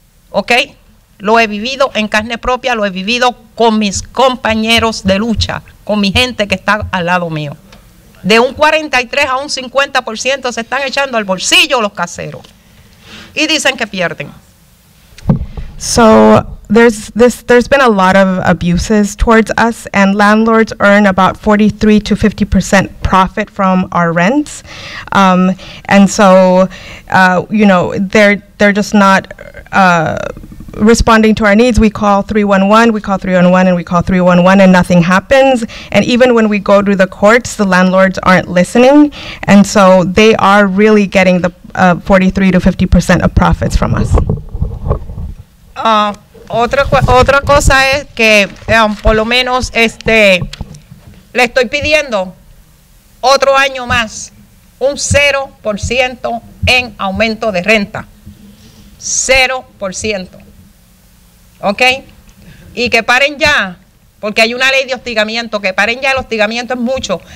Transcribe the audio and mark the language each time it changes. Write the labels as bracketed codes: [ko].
[es] Ok, lo he vivido en carne propia, lo he vivido con mis compañeros de lucha, con mi gente que está al lado mío. De un 43 a un 50% se están echando al bolsillo los caseros y dicen que pierden. [en] So there's been a lot of abuses towards us, and landlords earn about 43 to 50% profit from our rents. And so, you know, they're just not responding to our needs. We call 311, we call 311, and we call 311, and nothing happens. And even when we go to the courts, the landlords aren't listening. And so they are really getting the 43 to 50% of profits from us. [es] Otra cosa es que por lo menos le estoy pidiendo otro año más un 0% en aumento de renta. 0%. ¿Ok? Y que paren ya, porque hay una ley de hostigamiento, que paren ya, el hostigamiento es mucho.